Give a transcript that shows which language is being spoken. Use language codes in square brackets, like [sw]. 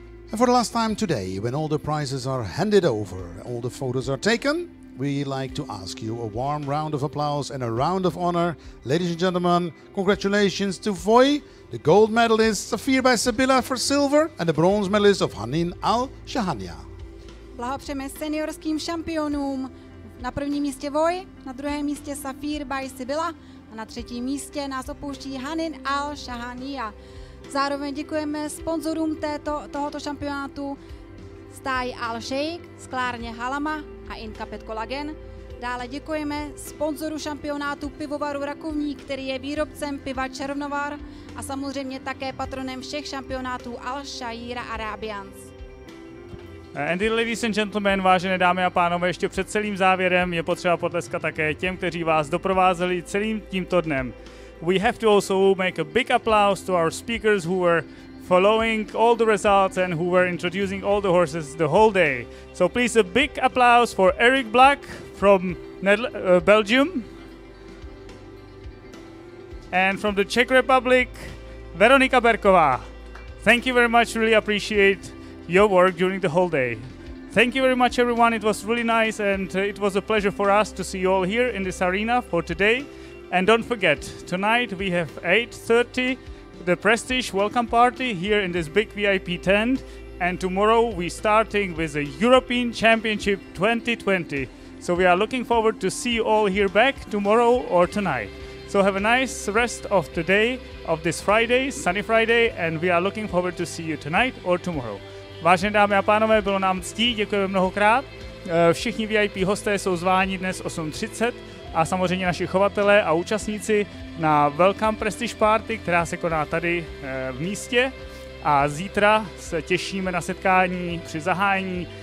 [en] And for the last time today, when all the prizes are handed over, all the photos are taken, we like to ask you a warm round of applause and a round of honor. Ladies and gentlemen, congratulations to FOI, the gold medalist Safir by Sibylla for silver and the bronze medalist of Hanin Al Shahania. [cs] Blahopřejeme seniorským šampionům. Na prvním místě Voj, na druhém místě Safir by Sibylla a na třetím místě nás opouští Hanin Al Shahania. Zároveň děkujeme sponzorům tohoto šampionátu stáji Al Sheikh, sklárně Halama a Incapet Collagen. Dále děkujeme sponzoru šampionátu pivovaru Rakovník, který je výrobcem piva Černovar a samozřejmě také patronem všech šampionátů Al Shaira Arabians. [en] And ladies and gentlemen, [cs] vážené dámy a pánové, ještě před celým závěrem je potřeba potleskat také těm, kteří vás doprovázeli celým tímto dnem. [en] We have to also make a big applause to our speakers who were following all the results and who were introducing all the horses the whole day. So please a big applause for Eric Black from Belgium and from the Czech Republic, Veronika Berková. Thank you very much, really appreciate your work during the whole day. Thank you very much, everyone. It was really nice and it was a pleasure for us to see you all here in this arena for today. And don't forget, tonight we have 8:30, the Prestige welcome party here in this big VIP tent. And tomorrow we starting with the European Championship 2020. So we are looking forward to see you all here back tomorrow or tonight. So have a nice rest of the day, of this Friday, sunny Friday, and we are looking forward to see you tonight or tomorrow. [cs] Vážené dámy a pánové, bylo nám ctí, děkujeme mnohokrát. Všichni VIP hosté jsou zváni dnes 8:30 a samozřejmě naši chovatelé a účastníci na Welcome Prestige Party, která se koná tady v místě. A zítra se těšíme na setkání při zahájení